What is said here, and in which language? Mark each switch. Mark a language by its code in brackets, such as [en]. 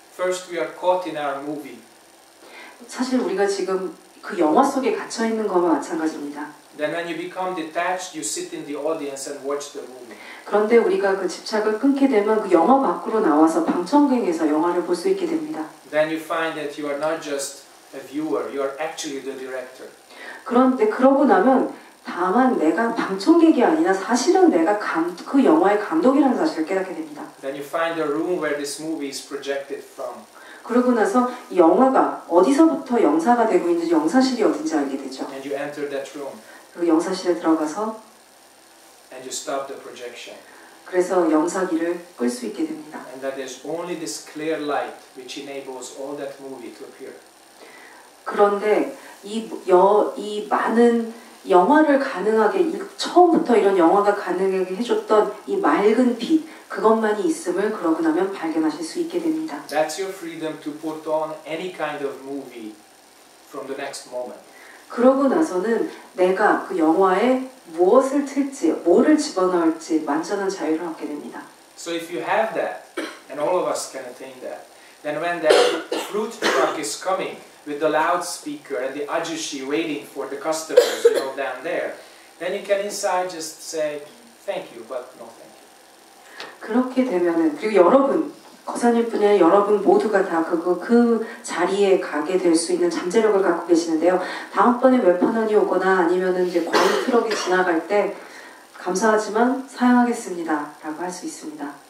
[en] First, we are caught in our movie. [ko] 사실 우리가 지금 그 영화 속에 갇혀 있는 거와 마찬가지입니다. [en] Then, when you become detached, you sit in the audience and watch the movie. [ko] 그런데 우리가 그 집착을 끊게 되면 그 영화 밖으로 나와서 방청객에서 영화를 볼 수 있게 됩니다. [en] Then you find that you are not just a viewer; you are actually the director. [ko] 그런데 그러고 나면 다만 내가 방청객이 아니라 사실은 내가 그 영화의 감독이라는 사실을 깨닫게 됩니다. [en] Then you find the room where this movie is projected from. [ko] 그러고 나서 영화가 어디서부터 영사가 되고 있는지 영사실이 어딘지 알게 되죠. [en] And you enter that room. [ko] 그리고 영사실에 들어가서 [en] And you stop the projection. [ko] 그래서 영사기를 끌 수 있게 됩니다. [en] And that there's only this clear light which enables all that movie to appear. [ko] 그런데 이 많은 영화를 가능하게 처음부터 이런 영화가 가능하게 해줬던 이 맑은 빛 그것만이 있음을 그러고 나면 발견하실 수 있게 됩니다. [en] That's your freedom to put on any kind of movie from the next moment. [ko] 그러고 나서는 내가 그 영화에 무엇을 틀지 뭐를 집어넣을지 완전한 자유를 얻게 됩니다. [en] So if you have that, and all of us can attain that, then when that fruit truck is coming with the loudspeaker and the ajushi waiting for the customers, you know, down there, then you can inside just say, thank you, but no thank you. [ko] 그렇게 되면은, 그리고 여러분, 거사님 분야 여러분 모두가 다 그 자리에 가게 될 수 있는 잠재력을 갖고 계시는데요. 다음번에 웹하나니 오거나 아니면은 이제 광 트럭이 지나갈 때 감사하지만 사양하겠습니다라고 할 수 있습니다.